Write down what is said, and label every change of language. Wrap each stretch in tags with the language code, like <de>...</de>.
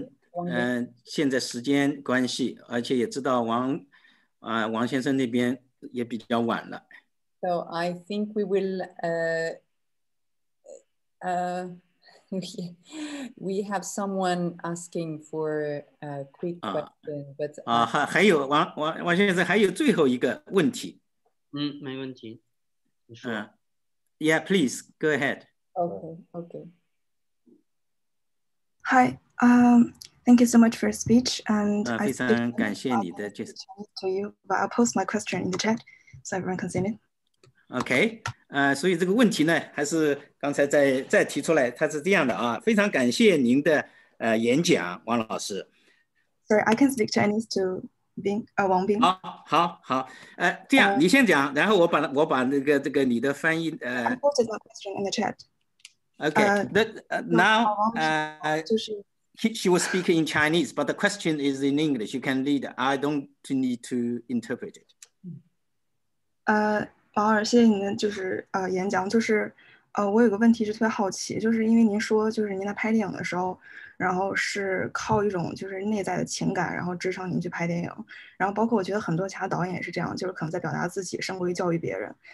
<zh>我们现在时间关系，而且也知道王先生那边也比较晚了。</zh> <en>So I think we will we have someone asking for a quick question, but</en> <zh>还有王先生还有最后一个问题。没问题。</zh> <en>Yeah, please go ahead. Okay. Hi. Thank you so much for your speech, and I speak in Chinese to you, but I'll post my question in the chat so everyone can see it. Okay.</en> <zh>所以这个问题呢，还是刚才再提出来，它是这样的啊。非常感谢您的演讲，王老师。</zh> <en>Sorry, I can speak Chinese to Wang Bing.</en> <zh>好，这样你先讲，然后我把这个你的翻译</zh> <en>I posted my question in the chat. Okay. Now. He was speaking in Chinese, but the question is in English. You can read. I don't need to interpret it.</en> <zh>王老师，谢谢您的就是演讲，就是我有个问题是特别好奇，就是因为您说就是您在拍电影的时候，然后是靠一种就是内在的情感，然后支撑您去拍电影，然后包括我觉得很多其他导演也是这样，就是可能在表达自己胜过于教育别人。</zh>